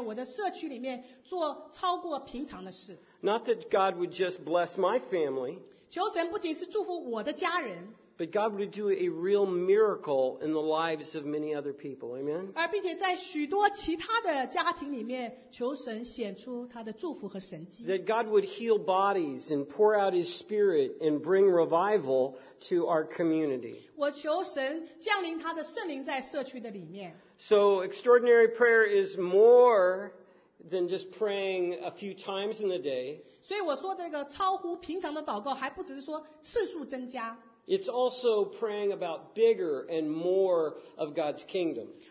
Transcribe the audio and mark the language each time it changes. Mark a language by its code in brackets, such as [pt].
[zh] 我求神呢,要在教会里,在我个人的家庭里面,还有我的社区里面,做超过平常的事。 [en] Not that God would just bless my family. [zh] 求神不仅是祝福我的家人。 [en] But God would do a real miracle in the lives of many other people. Amen? [zh] 而并且在许多其他的家庭里面,求神显出他的祝福和神迹。 [en] That God would heal bodies and pour out His Spirit and bring revival to our community. [zh] 我求神降临他的圣灵在社区的里面。 [en] So extraordinary prayer is more than just praying a few times in the day. [zh] 所以我说这个超乎平常的祷告还不只是说次数增加。 [en] It's also praying about bigger and more of God's kingdom.